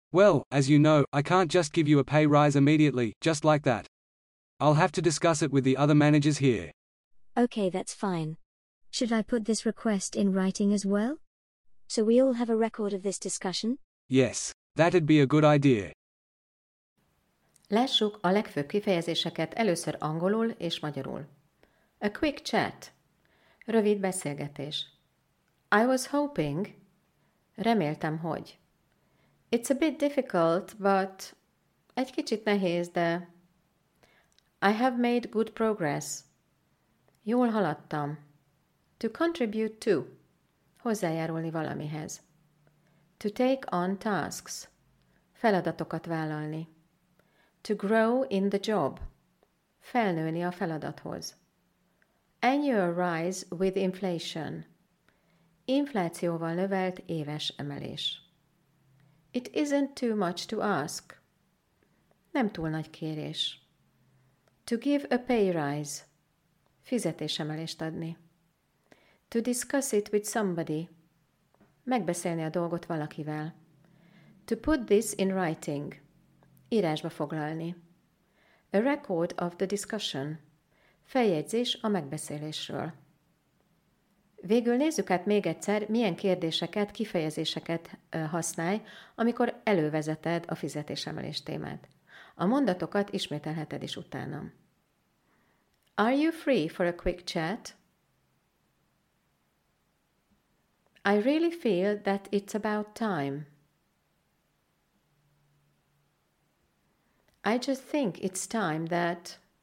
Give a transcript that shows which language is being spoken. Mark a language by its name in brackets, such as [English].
[English] Well, as you know, I can't just give you a pay rise immediately, just like that. I'll have to discuss it with the other managers here. Okay, that's fine. Should I put this request in writing as well? So we all have a record of this discussion? Yes, that'd be a good idea. [Hungarian] Lássuk a legfőbb kifejezéseket először angolul és magyarul. [English] A quick chat. [Hungarian] Rövid beszélgetés. [English] I was hoping. [Hungarian] Reméltem, hogy. [English] It's a bit difficult, but... [Hungarian] Egy kicsit nehéz, de... [English] I have made good progress. [Hungarian] Jól haladtam. [English] To contribute to. [Hungarian] Hozzájárulni valamihez. [English] To take on tasks. [Hungarian] Feladatokat vállalni. [English] To grow in the job. [Hungarian] Felnőni a feladathoz. [English] Annual rise with inflation. [Hungarian] Inflációval növelt éves emelés. [English] It isn't too much to ask. [Hungarian] Nem túl nagy kérés. [English] To give a pay rise. [Hungarian] fizetésemelést adni. [English] To discuss it with somebody. [Hungarian] Megbeszélni a dolgot valakivel. [English] To put this in writing. [Hungarian] Írásba foglalni. [English] A record of the discussion. [Hungarian] Feljegyzés a megbeszélésről. Végül nézzük át még egyszer, milyen kérdéseket, kifejezéseket használj, amikor elővezeted a fizetésemelés témát. A mondatokat ismételheted is utánam. [English] Are you free for a quick chat? I really feel that it's about time. I just think it's time that...